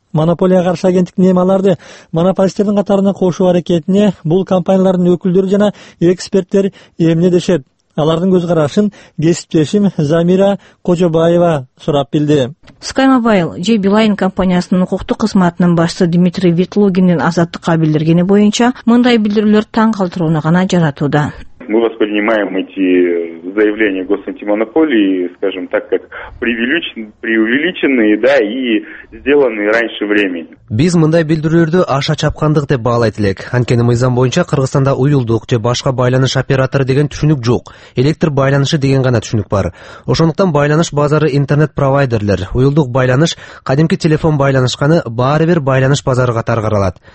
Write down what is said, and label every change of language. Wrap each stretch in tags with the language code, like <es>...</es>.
<ky>Монополияга каршы агенттиктин эми аларды монополисттердин катарына кошуу аракетине бул компаниялардын өкүлдөрү жана эксперттер эмне дешет? Алардын көз карашын кесиптешим Замира Кожобаева сурап билди. SkyMobile же Билайн компаниясынын укуктук кызматынын башчысы Дмитрий Витлугиндин Азаттыкка билдиргени боюнча мындай билдирүүлөр таң калтырууну гана жаратууда.</ky> <ru>Мы воспринимаем эти заявления госантимонополии, скажем так, как преувеличенные, да, и сделанные раньше времени.</ru> <ky>Биз мындай билдирүүлөрдү аша чапкандык деп баалайт элек. Анткени мыйзам боюнча Кыргызстанда уюлдук же башка байланыш оператору деген түшүнүк жок. Электр байланышы деген гана түшүнүк бар. Ошондуктан байланыш базары интернет провайдерлер, уюлдук байланыш, кадимки телефон байланышканы баары бир байланыш базары катары каралат.</ky>